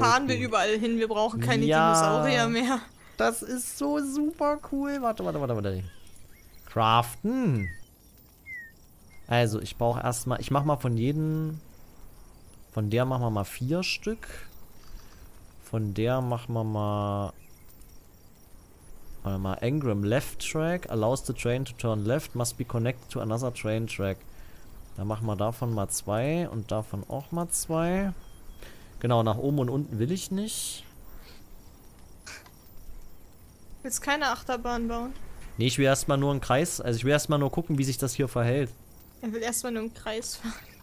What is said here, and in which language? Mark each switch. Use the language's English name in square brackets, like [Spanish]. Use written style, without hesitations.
[German] fahren cool. Wir überall hin. Wir brauchen keine Dinosaurier mehr. Das ist so super cool. Warte. Craften. Also, ich brauche erstmal. Ich mach mal von jedem. Von der machen wir mal 4 Stück. Von der machen wir mal. [English] Warte mal, Engram Left Track allows the train to turn left, must be connected to another train track. [German] Dann machen wir davon mal 2 und davon auch mal 2. Genau, nach oben und unten will ich nicht. Willst keine Achterbahn bauen? Nee, ich will erstmal nur einen Kreis, also ich will erstmal nur gucken, wie sich das hier verhält. Er will erstmal nur einen Kreis fahren.